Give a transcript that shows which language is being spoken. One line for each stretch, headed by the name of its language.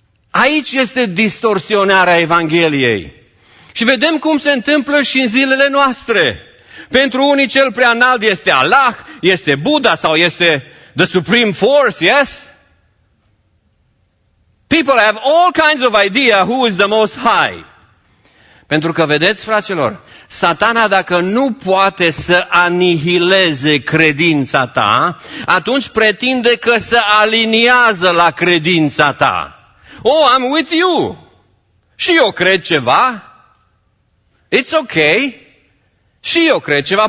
Romanian: Aici este distorsionarea Evangheliei. Și vedem cum se întâmplă și în zilele noastre. Pentru unii cel prea înalt este Allah, este Buddha sau este
English: the Supreme Force, yes? People have all kinds of idea who is the most high.
Romanian: Pentru că, vedeți, fraților, Satana dacă nu poate să anihileze credința ta, atunci pretinde că se aliniază la credința ta.
English: Oh, I'm with you.
Romanian: Și eu cred ceva.
English: It's okay.
Romanian: Și eu cred ceva.